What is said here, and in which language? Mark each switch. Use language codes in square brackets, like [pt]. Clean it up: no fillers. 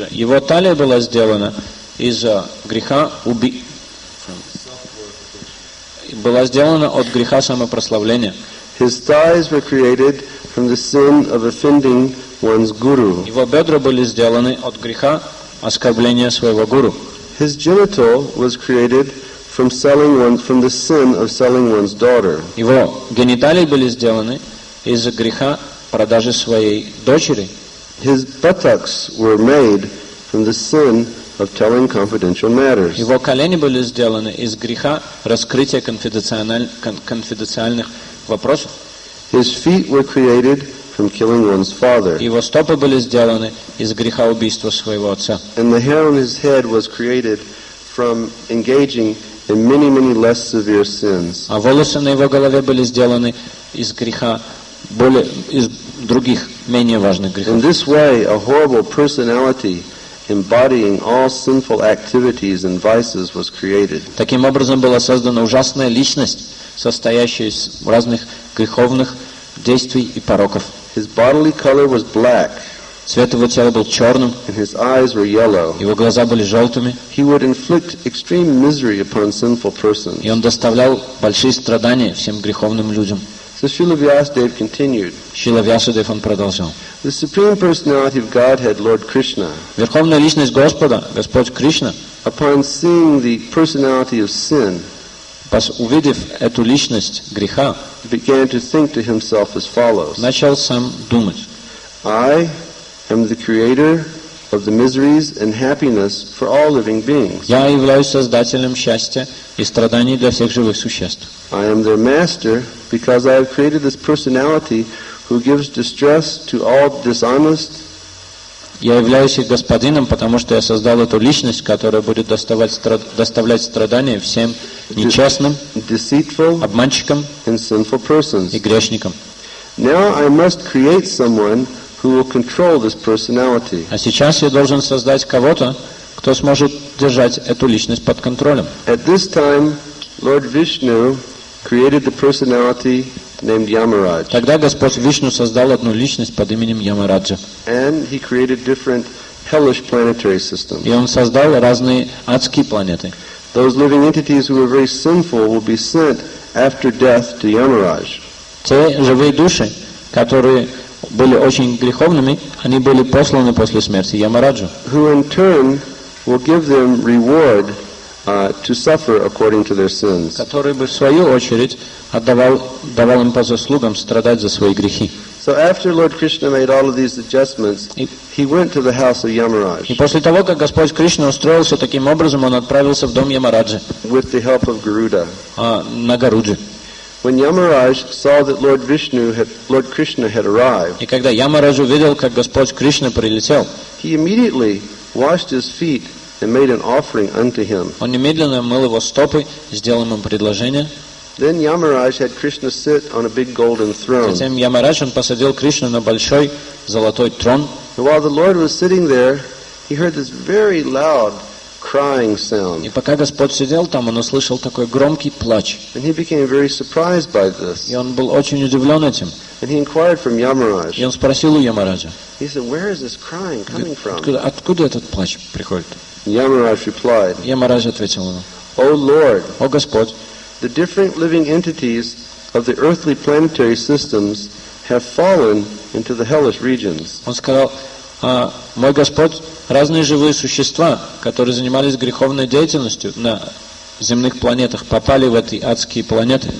[ru] Его талия была сделана из греха убийства. Была сделана от греха самопрославления. [en] His thighs were created from the sin of offending one's guru. [ru] Его бедра были сделаны от греха оскорбления своего гуру. [en] His genital was created from the sin of selling one's daughter. [ru] Его гениталии были сделаны из-за греха продажи своей дочери. [en] His buttocks were made from the sin of telling confidential matters. [ru] Его колени были сделаны из греха раскрытия конфиденциальных вопросов. [en] His feet were created from killing one's father. [ru] Его стопы были сделаны из греха убийства своего отца. [en] And the hair on his head was created from engaging in many, many less severe sins. [ru] А волосы на его голове были сделаны из греха более из других менее важных грехов. [en] In this way, a horrible personality embodying all sinful activities and vices was created. [ru] Таким образом была создана ужасная личность, состоящая из разных греховных действий и пороков. [en] His bodily color was black. [ru] Цвет его тела был черным. [en] And his eyes were yellow. [ru] Его глаза были желтыми. [en] He would inflict extreme misery upon sinful persons. [ru] И он доставлял большие страдания всем греховным людям. [en] So Śrīla Vyāsadeva continued. [ru] Śrīla Vyāsadeva продолжал. [en] The supreme personality of Godhead, Lord Krishna. [ru] Верховная личность Господа, Господь Кришна. [en] Upon seeing the personality of sin. [ru] Увидев эту личность греха, [en] began to think to himself as follows. [ru] Начал сам думать. [en] I am the creator of the miseries and happiness for all living beings. [ru] Я являюсь создателем счастья и страданий для всех живых существ. [en] I am their master because I have created this personality who gives distress to all dishonest. [ru] Я являюсь их господином, потому что я создал эту личность, которая будет доставлять страдания всем нечестным, обманщикам и грешникам. [en] Now I must create someone who will control this personality. [ru] А сейчас я должен создать кого-то, кто сможет держать эту личность под контролем. [en] At this time, Lord Vishnu created the personality named Yamaraj. [ru] Тогда Господь Вишну создал одну личность под именем Ямараджа. [en] And he created different hellish planetary systems. [ru] И он создал разные адские планеты. [en] Those living entities who were very sinful will be sent after death to Yamaraj. [ru] Те живые души, которые были очень греховными, они были посланы после смерти Ямараджу. [en] Who in turn will give them reward to suffer according to their sins. [ru] Который бы в свою очередь давал им по заслугам страдать за свои грехи. [en] So after Lord Krishna made all of these adjustments, he went to the house of Yamaraj. [ru] И после того, как Господь Кришна устроился таким образом, он отправился в дом Ямараджи. [en] With the help of Garuda. [ru] На Гаруджи. [en] When Yamaraj saw that Lord Krishna had arrived. [ru] И когда Ямарадж увидел, как Господь Кришна прилетел. [en] He immediately washed his feet and made an offering unto him. [ru] Он немедленно мыл его стопы, сделал ему предложение. [en] Then Yamaraj had Krishna sit on a big golden throne. [ru] Затем Ямарадж посадил Кришну на большой золотой трон. [en] And while the Lord was sitting there, he heard this very loud crying sound. [ru] И пока Господь сидел там, он услышал такой громкий плач. [en] And he became very surprised by this. [ru] И он был очень удивлен этим. [en] And he inquired from Yamaraj. [ru] И он спросил у Ямараджа. [en] He said, "Where is this crying coming from?" [ru] Откуда этот плач приходит? [en] Yamaraj replied. [ru] Ямарадж ответил ему. [en] O Lord. [ru] О Господь. [en] The different living entities of the earthly planetary systems have fallen into the hellish regions. [ru] Он сказал: мой Господь, разные живые существа, которые занимались греховной деятельностью на земных планетах, попали в эти адские планеты.